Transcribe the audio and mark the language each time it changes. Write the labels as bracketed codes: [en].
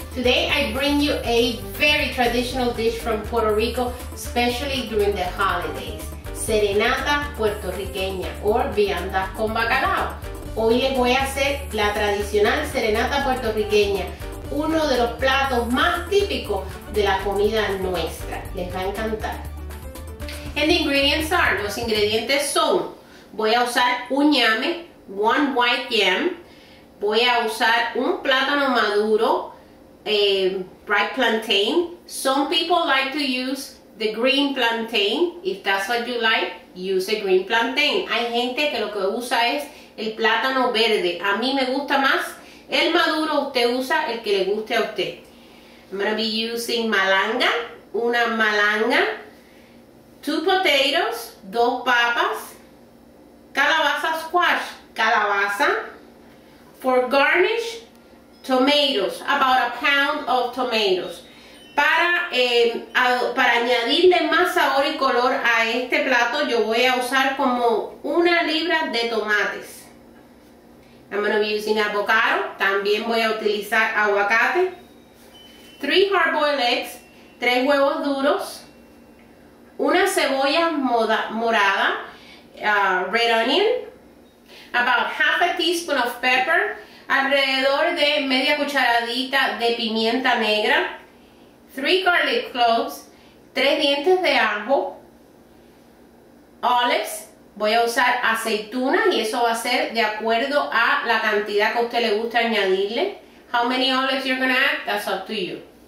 [en] Today I bring you a very traditional dish from Puerto Rico, especially during the holidays. [es] Serenata puertorriqueña or viandas con bacalao. Hoy les voy a hacer la tradicional serenata puertorriqueña, uno de los platos más típicos de la comida nuestra. Les va a encantar. [en] And the ingredients are, [es] los ingredientes son, voy a usar un ñame, [en] one white yam, [es] voy a usar un plátano maduro, [en] ripe plantain. Some people like to use the green plantain. If that's what you like, use a green plantain. [es] Hay gente que lo que usa es el plátano verde. A mí me gusta más el maduro. Usted usa el que le guste a usted. [en] I'm going to be using malanga, [es] una malanga, [en] two potatoes, [es] dos papas, [en] calabaza squash, calabaza. For garnish, tomatoes, about a pound of tomatoes. [es] Para añadirle más sabor y color a este plato, yo voy a usar como una libra de tomates. [en] I'm going to be using avocado. [es] También voy a utilizar aguacate. [en] Three hard-boiled eggs, [es] tres huevos duros. Una cebolla morada, [en] red onion. About half a teaspoon of pepper. [es] Alrededor de media cucharadita de pimienta negra, [en] 3 garlic cloves, [es] 3 dientes de ajo, [en] olives, [es] voy a usar aceitunas y eso va a ser de acuerdo a la cantidad que a usted le gusta añadirle. [en] How many olives you're gonna add, that's up to you.